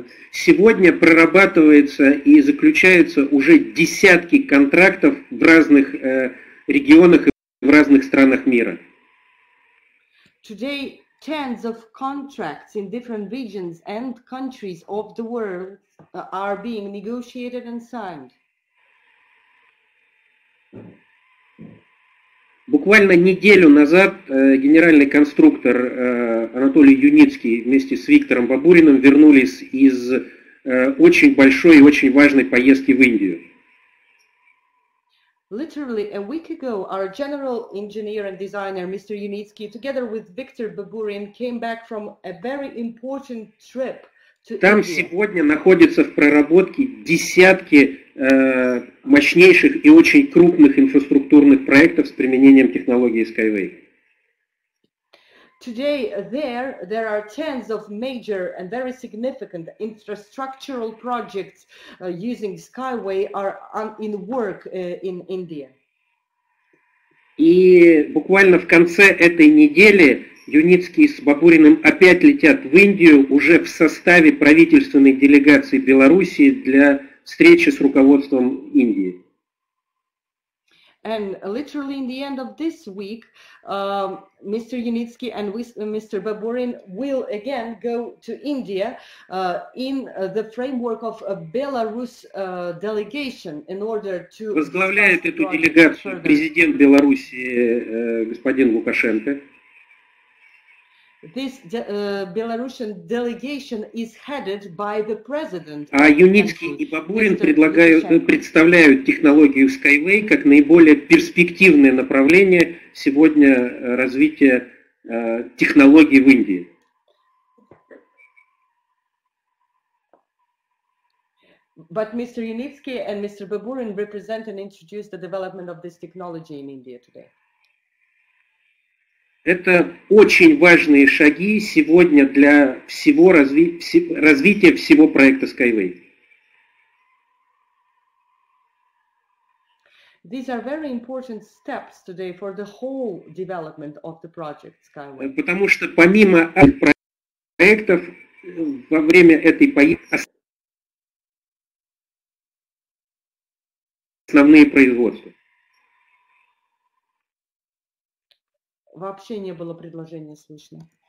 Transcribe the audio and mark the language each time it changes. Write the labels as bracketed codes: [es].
[ru] Сегодня прорабатывается и заключаются уже десятки контрактов в разных регионах и в разных странах мира. [en] Today tens of contracts in different regions and countries of the world are being negotiated and signed. [ru] Буквально неделю назад генеральный конструктор Анатолий Юницкий вместе с Виктором Бабуриным вернулись из очень большой и очень важной поездки в Индию. [en] Literally a week ago our general engineer and designer Mr. Юницкий together with Victor Baburin came back from a very important trip to India. [ru] Там сегодня находятся в проработке десятки мощнейших и очень крупных инфраструктурных проектов с применением технологии Skyway. [en] Today there are tens of major and very significant infrastructural projects using Skyway are in work in India. [ru] И буквально в конце этой недели Юницкий с Бабуриным опять летят в Индию уже в составе правительственной делегации Белоруссии для встречи с руководством Индии. [en] And literally in the end of this week, Mr. Yunitsky and Mr. Baburin will again go to India in the framework of a Belarus delegation in order to... [ru] Возглавляет эту делегацию президент Беларуси, господин Лукашенко. [en] This Belarusian delegation is headed by the president. [ru] А Юницкий и Бабурин представляют технологию Skyway как наиболее перспективное направление сегодня развития технологий в Индии. [en] But Mr. Yunitsky and Mr. Baburin represent and introduce the development of this technology in India today. [ru] Это очень важные шаги сегодня для всего развития всего проекта Skyway. [en] These are very important steps today for the whole development of the project Skyway. [ru] Потому что помимо проектов во время этой поездки основные производства. Вообще не было предложения слышно.